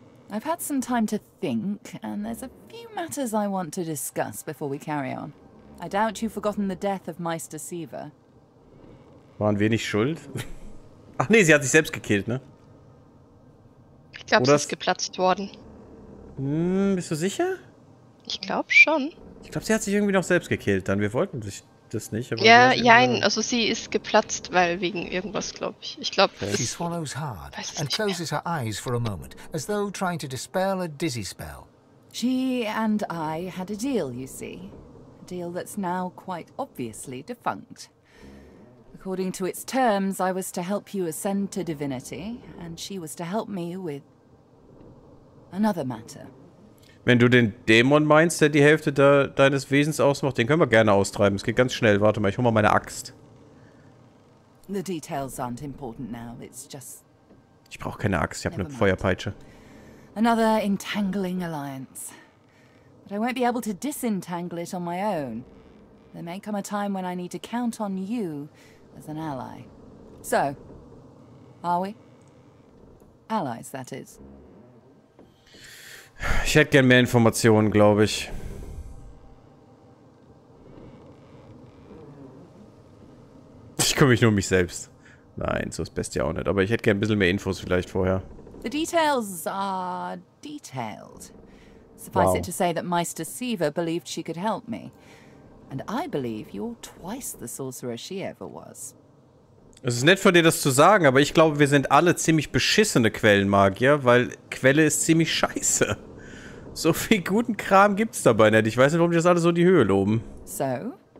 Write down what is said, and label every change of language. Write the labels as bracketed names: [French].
[English] I've had some time to think, and there's a few matters I want to discuss before we carry on. I doubt you've forgotten the death of Meister Seaver. [German] Waren wir nicht schuld? Ach nee, sie hat sich selbst gekillt, ne? Ich glaube, sie ist geplatzt worden. Bist du sicher? Ich glaube schon. Ich glaube, sie hat sich irgendwie noch selbst gekillt, dann. Wir wollten sich... Das nicht, aber ja, ja, nein, also sie ist geplatzt, weil wegen irgendwas, glaube ich. Ich glaube, [English] she swallows hard and closes her eyes for a moment, as though trying to dispel a dizzy spell. She and I had a deal, you see. A deal that's now quite obviously defunct. According to its terms, I was to help you ascend to divinity, and she was to help me with another matter. [German] Wenn du den Dämon meinst, der die Hälfte deines Wesens ausmacht, den können wir gerne austreiben. Es geht ganz schnell. Warte mal, ich hol mal meine Axt. [English] The details aren't important now. It's just. [German] Ich brauche keine Axt. Ich habe eine Feuerpeitsche. [English] Another entangling alliance. But I won't be able to disentangle it on my own. There may come a time when I need to count on you as an ally. So, are we? Allies, that is. [German] Ich hätte gern mehr Informationen, glaube ich. Ich kümmere mich nur um mich selbst. Nein, so ist Bestia auch nicht. Aber ich hätte gern ein bisschen mehr Infos vielleicht vorher. [English] The details are detailed. Suffice it to say that Meister Siva believed she could help me. And I believe you're twice the sorcerer she ever was. [German] Es ist nett von dir, das zu sagen, aber ich glaube, wir sind alle ziemlich beschissene Quellenmagier, weil Quelle ist ziemlich scheiße. So viel guten Kram gibt's dabei nicht. Ich weiß nicht, warum die das alle so in die Höhe loben. So?